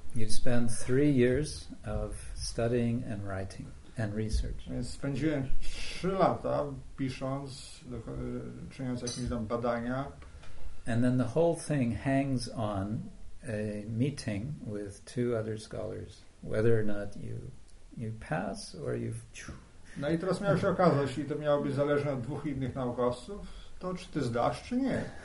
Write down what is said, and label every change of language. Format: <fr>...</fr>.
<en>You spend 3 years of studying and writing and research.</en> <pl>Więc spędziłem 3 lata pisząc, czyniąc jakieś tam badania.</pl> <en>And then the whole thing hangs on a meeting with 2 other scholars, whether or not you pass or you've.</en> <pl>No i teraz miało się okazać, jeśli to miało być zależne od 2 innych naukowców, to czy ty zdasz, czy nie?</pl>